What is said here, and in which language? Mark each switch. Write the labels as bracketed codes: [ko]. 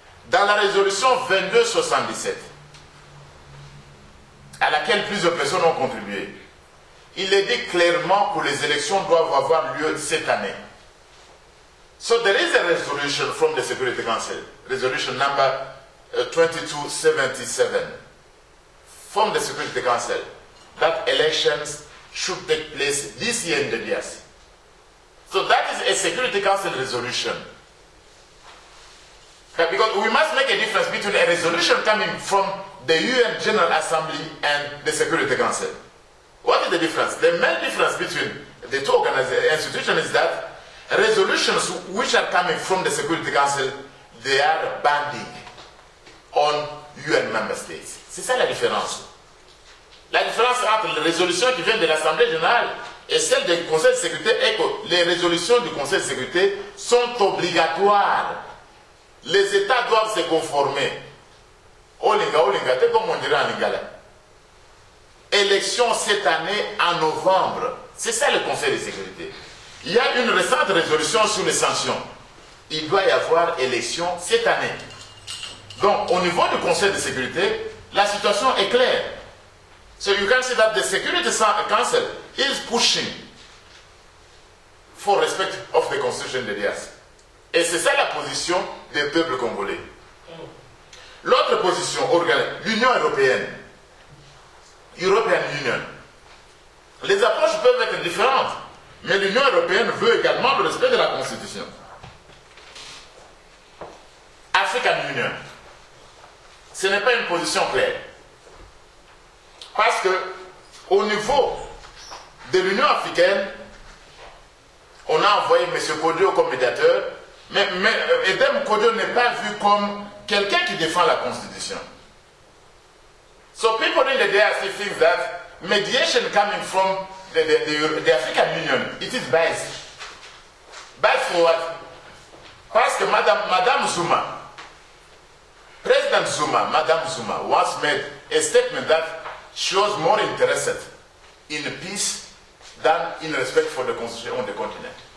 [fr] Dans la résolution 2277, à laquelle plusieurs personnes ont contribué, il est dit clairement que les élections doivent avoir lieu cette année. [en] So there is a resolution from the Security Council, resolution number 2277, from the Security Council, that elections should take place this year in the DRC. So that is a Security Council resolution. Because we must make a difference between a resolution coming from the UN General Assembly and the Security Council. What is the difference? The main difference between the two institutions is that resolutions which are coming from the Security Council, they are binding on UN member states. [fr] C'est ça la différence. La différence entre les résolutions qui viennent de l'Assemblée générale et celles du Conseil de sécurité est que les résolutions du Conseil de sécurité sont obligatoires. Les États doivent se conformer. [ln] Olinga, olinga, [fr] c'est comme on dirait en lingala. Élection cette année en novembre. C'est ça le Conseil de sécurité. Il y a une récente résolution sur les sanctions. Il doit y avoir élection cette année. Donc, au niveau du Conseil de sécurité, la situation est claire. [en] So you can see that the Security Council is pushing for respect of the Constitution de DRC. [fr] Et c'est ça la position des peuples congolais. L'autre position, l'Union européenne, European Union, les approches peuvent être différentes. Mais l'Union européenne veut également le respect de la Constitution. African Union, Ce n'est pas une position claire. Parce que au niveau de l'Union africaine, on a envoyé M. Kodjo comme médiateur, mais Edem Kodjo n'est pas vu comme quelqu'un qui défend la Constitution. [en] So people in the DRC think that mediation coming from the African Union, it is biased. Biased for what? [fr] Parce que Madame Zuma, [en] President Zuma, Madame Zuma, once made a statement that she was more interested in peace than in respect for the Constitution on the continent.